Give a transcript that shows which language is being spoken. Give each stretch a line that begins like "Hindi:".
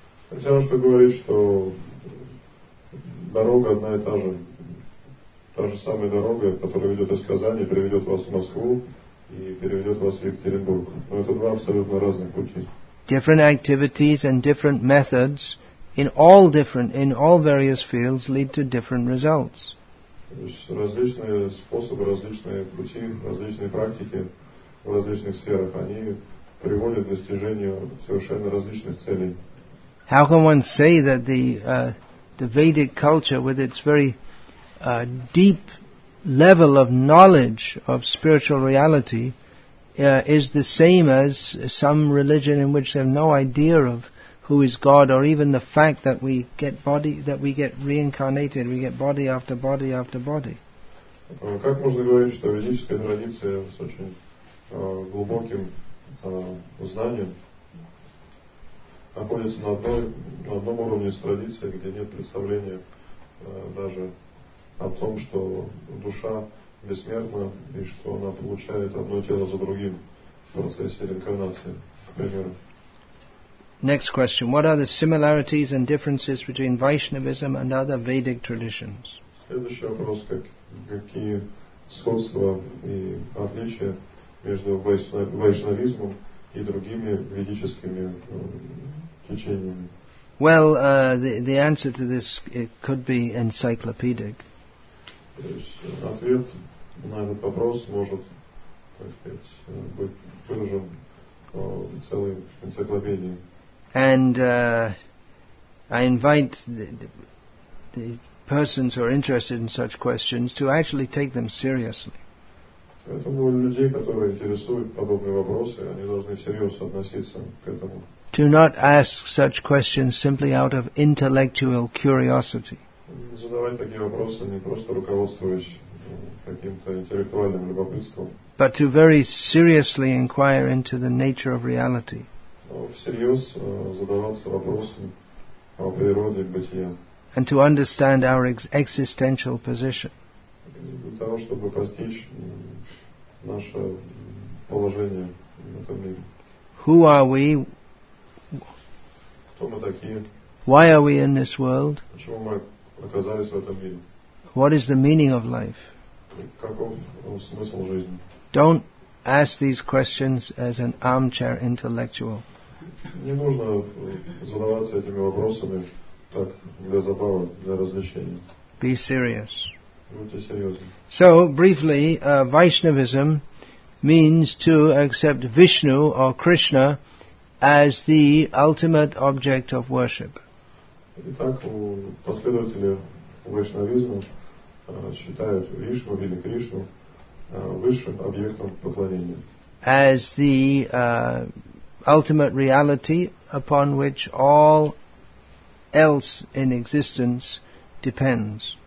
Russian: Хотя что говорит, что дорога одна и та же самая дорога, которая ведет из Казани, приведет вас в Москву и переведет вас в Екатеринбург. Но это два абсолютно разных пути.
English: Different activities and different methods in all various fields lead to different results.
Russian: То есть различные способы, различные пути, различные практики в различных сферах, они приводят к достижению совершенно различных целей.
English: How can one say that the Vedic culture, with its very deep level of knowledge of spiritual reality, is the same as some religion in which they have no idea of who is God, or even the fact that we get body, that we get reincarnated, we get body after body after body?
Russian: Как можно говорить, что ведическая традиция с очень глубоким знанием находится на одном уровне с традицией, где нет представления даже о том, что душа бессмертна и что она получает одно тело за другим в процессе реинкарнации, к примеру?
English: Next question. What are the similarities and differences between Vaishnavism and other Vedic traditions?
Russian: Следующий вопрос. Какие сходства и отличия между вайшнавизмом и другими ведическими течениями?
English: Well, the answer to this, it could be encyclopedic.
Russian: Ответ на этот вопрос может, так сказать, быть выражен в целой энциклопедии.
English: And I invite the persons who are interested in such questions to actually take them seriously.
Russian: Поэтому людей, которые интересуют подобные вопросы, они должны серьезно относиться к этому.
English: Do not ask such questions simply out of intellectual curiosity.
Russian: Задавать такие вопросы не просто руководствуясь каким-то интеллектуальным любопытством.
English: But to very seriously inquire into the nature of reality.
Russian: Всерьез задаваться вопросом о природе бытия.
English: And to understand our existential position.
Russian: Для того, чтобы постичь наше положение в этом мире.
English: Who are we?
Russian: Кто мы такие?
English: Why are we in this world?
Russian: Почему мы оказались в этом мире?
English: What is the meaning of life?
Russian: Каков смысл жизни?
English: Don't ask these questions as an armchair intellectual.
Russian: Не нужно задаваться этими вопросами так, для забавы, для развлечения.
English: Be serious.
Russian: Будьте серьезны.
English: So, briefly, Vaishnavism means to accept Vishnu or Krishna as the ultimate object of worship.
Russian: Итак, последователи вайшнавизма считают Вишну или Кришну высшим объектом поклонения.
English: As the ultimate reality upon which all else in existence depends.